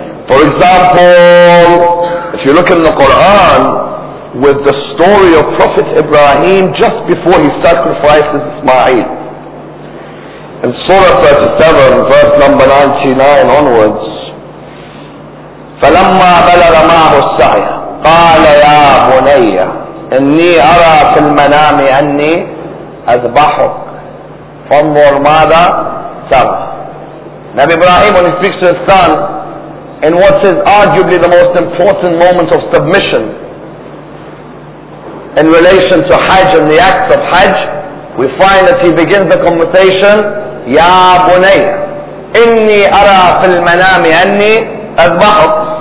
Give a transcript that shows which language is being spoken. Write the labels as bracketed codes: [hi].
[en] For example, if you look in the Quran, with the story of Prophet Ibrahim just before he sacrifices Ismail. In Surah 37, verse number 99 onwards, [ar] فَلَمَّا بَلَغَ مَعْهُ السَّعْيَ قَالَ يَا بُنَيَّ إِنِّي أَرَى فِي الْمَنَامِ أَنِّي أَذْبَحُكَ فَانْظُرْ مَاذَا تَرَى. [en] Nabi Ibrahim, when he speaks to his son in what is arguably the most important moment of submission in relation to Hajj and the acts of Hajj, we find that he begins the conversation, [ar] يَا بُنَيَّ إِنِّي أَرَى فِي الْمَنَامِ أَنِّي أَذْبَحُكَ.